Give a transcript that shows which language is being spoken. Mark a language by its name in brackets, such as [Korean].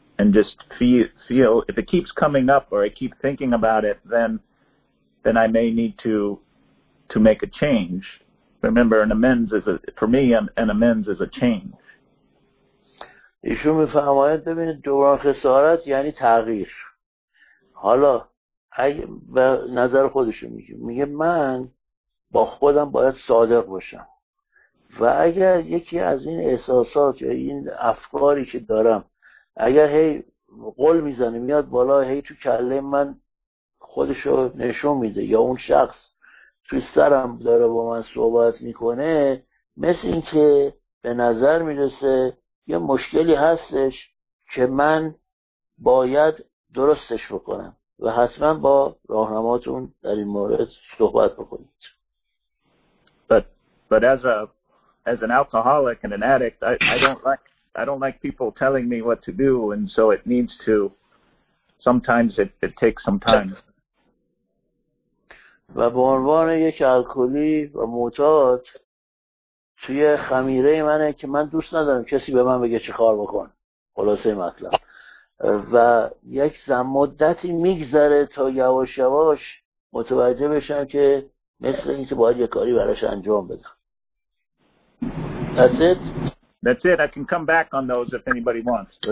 [English] just feel if it keeps coming up or I keep thinking about it, then I may need to make a change. Remember, an amends is a change. [Persian] ایشون میفهمید ببینید دوران خسارت یعنی تغییر. حالا به نظر خودشون میگه من با خودم باید صادق باشم و اگر یکی از این احساسات یا این افکاری که دارم اگر هی قول میزنه میاد بالا، هی تو کله من خودشو نشون میده یا اون شخص توی سرم داره با من صحبت میکنه، مثل این که به نظر میرسه یه مشکلی هستش که من باید درستش بکنم و حتما با راهنماتون در این مورد صحبت بکنید. [English] But as an alcoholic and an addict, I don't like people telling me what to do, and so it needs to sometimes it takes some time. [Persian] و به عنوان یک الکلی و معتاد توی خمیره منه که من دوست ندارم کسی به من بگه چه کار بکن، خلاصه مطلب. و یک مدتی میگذره تا یواش یواش متوجه بشم که مثل این که باید یک کاری براش انجام بدم. [English] That's it. I can come back on those if anybody wants.